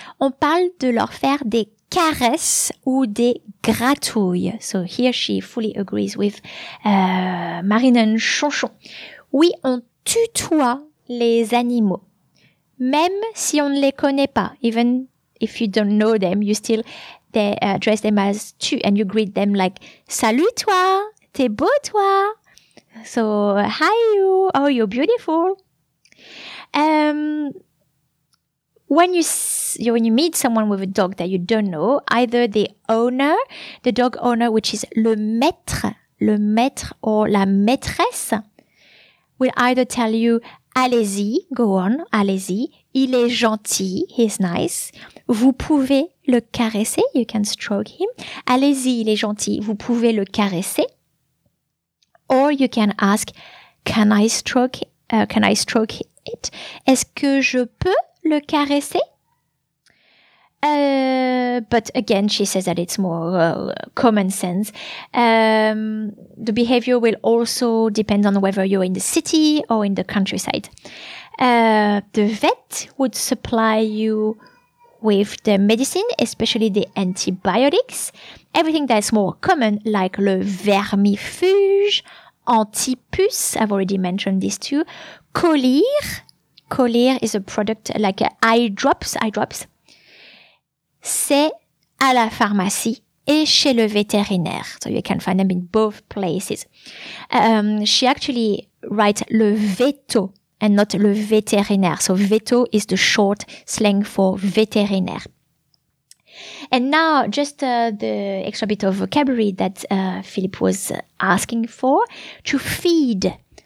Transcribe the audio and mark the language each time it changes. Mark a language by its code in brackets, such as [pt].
[fr] On parle de leur faire des caresses ou des gratouilles. [en] So here she fully agrees with Marine and Chonchon. [fr] Oui, on tutoie les animaux, même si on ne les connaît pas. [en] Even if you don't know them, you still... They address them as tu, and you greet them like, [fr] salut toi, t'es beau toi. [en] So, hi you, oh, you're beautiful. When you meet someone with a dog that you don't know, either the dog owner, which is le maître or la maîtresse, will either tell you, allez-y, go on, allez-y. [fr] Il est gentil, [en] he's nice. [fr] Vous pouvez le caresser, [en] you can stroke him. [fr] Allez-y, il est gentil, vous pouvez le caresser. [en] Or you can ask, can I stroke it? [fr] Est-ce que je peux le caresser? [en] But again, she says that it's more common sense. The behavior will also depend on whether you're in the city or in the countryside. The vet would supply you with the medicine, especially the antibiotics. Everything that's more common, like le vermifuge, antipuce, I've already mentioned these two. Colir is a product like eye drops. [fr] C'est à la pharmacie et chez le vétérinaire. [en] So you can find them in both places. She actually writes le veto and not le vétérinaire. So veto is the short slang for vétérinaire. And now just the extra bit of vocabulary that Philippe was asking for. To feed.